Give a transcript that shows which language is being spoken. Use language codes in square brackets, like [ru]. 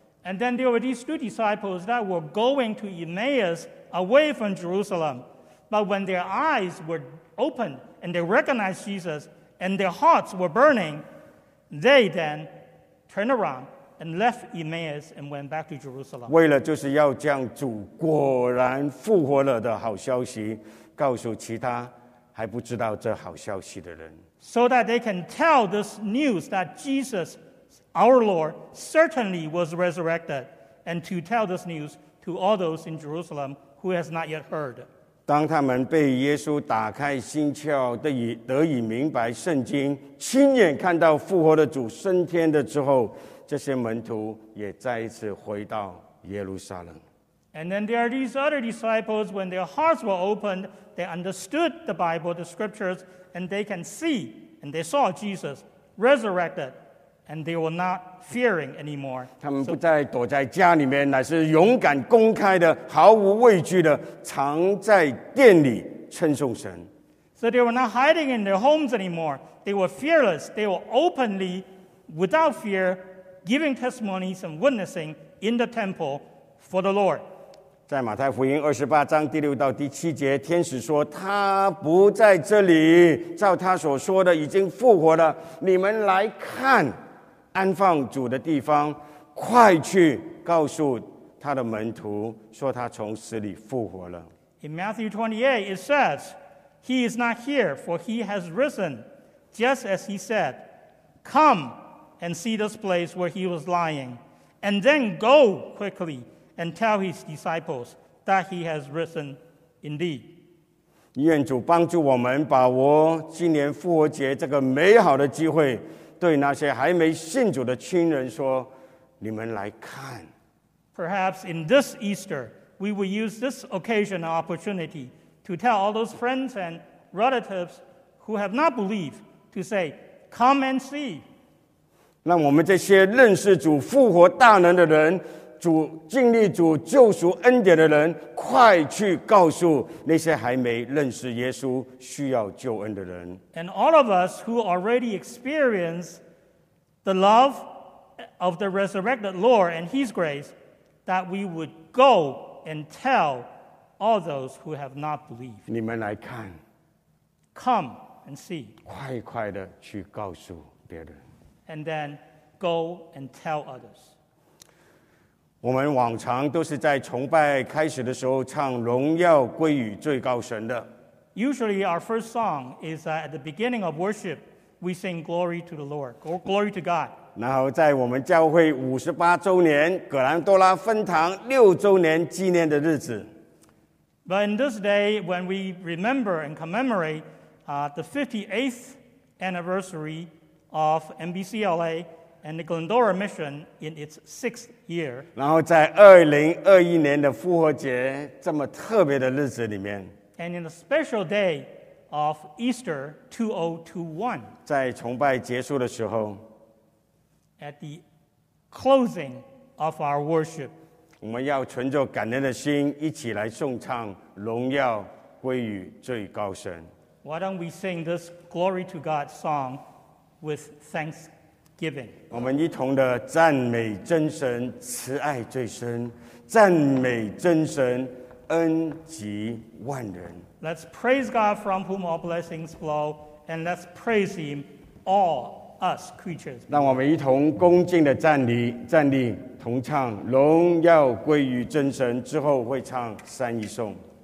[en] And then there were these two disciples that were going to Emmaus away from Jerusalem, but when their eyes were opened and they recognized Jesus and their hearts were burning, they then turned aroundand left Emmaus and went back to Jerusalem. [zh] 为了就是要将主果然复活了的好消息告诉其他还不知道这好消息的人。 [en] So that they can tell this news that Jesus, our Lord, certainly was resurrected, and to tell this news to all those in Jerusalem who has not yet heard. [zh] 当他们被耶稣打开心窍，得以明白圣经，亲眼看到复活的主升天的之后，这些门徒也再一次回到耶路撒冷。 [en] And then there are these other disciples, when their hearts were opened, they understood the Bible, the scriptures, and they can see, and they saw Jesus resurrected, And they were not fearing anymore. [zh] 他们不再躲在家里面，乃是勇敢公开的，毫无畏惧的，藏在殿里称颂神。 [en] So they were not hiding in their homes anymore. They were fearless. They were openly, without fear, giving testimonies and witnessing in the temple for the Lord. [zh] 在马太福音二十八章第六到第七节，天使说：“他不在这里，照他所说的已经复活了。你们来看，安放主的地方，快去告诉他的门徒，说他从死里复活了。” [en] In Matthew 28, it says. He is not here, for he has risen, just as he said. Come and see this place where he was lying, and then go quickly and tell his disciples that he has risen indeed. [zh] 愿主帮助我们把握今年复活节这个美好的机会，对那些还没信主的亲人说，你们来看。 [en] Perhaps in this Easter, we will use this occasion and opportunity. To tell all those friends and relatives who have not believed to say, come and see. [zh] 让我们这些认识主复活大能的人，主经历主救赎恩典的人，快去告诉那些还没认识耶稣需要救恩的人。 [en] And all of us who already experience the love of the resurrected Lord and His grace, that we would go and tell. All those who have not believed. [zh] 你们来看。 [en] Come and see. [zh] 快快地去告诉别人。 [en] And then go and tell others. [zh] 我们往常都是在崇拜开始的时候唱荣耀归于最高神的。 [en] Usually our first song is that at the beginning of worship, we sing glory to the Lord, glory to God. [zh] 然后在我们教会五十八周年葛兰多拉分堂六周年纪念的日子。 [en] But in this day, when we remember and commemorate the 58th anniversary of MBCLA and the Glendora Mission in its sixth year, [zh] 然后在2021年的复活节这么特别的日子里面 [en] and in a special day of Easter 2021, [zh] 在崇拜结束的时候 [en] at the closing of our worship, [zh] 我们要存着感恩的心一起来颂唱荣耀归于最高神。 [en] Why don't we sing this glory to God song with thanksgiving? [zh] 我们一同的赞美真神慈爱最深，赞美真神恩及万人。 [en] Let's praise God from whom all blessings flow, and let's praise Him, all us creatures. [zh] 让我们一同恭敬的站立。同唱荣耀归于真神之后会唱三一颂。